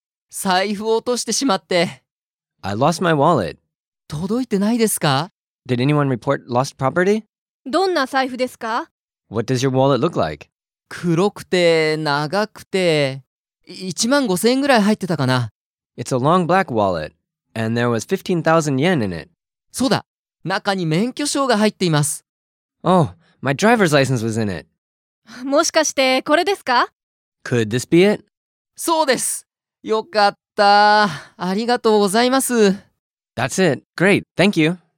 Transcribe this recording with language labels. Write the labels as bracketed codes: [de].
[ja] 財布を落としてしまって。 [en] I lost my wallet. [ja] 届いてないですか? [en] Did anyone report lost property? [ja] どんな財布ですか? [en] What does your wallet look like? [ja] 黒くて、長くて、15,000円ぐらい入ってたかな。 [en] It's a long black wallet, and there was 15,000 yen in it. [ja] そうだ。中に免許証が入っています。 [en] Oh, my driver's license was in it. [ja] もしかしてこれですか? [en] Could this be it? [ja] そうです。よかった。ありがとうございます。 [en] That's it. Great. Thank you.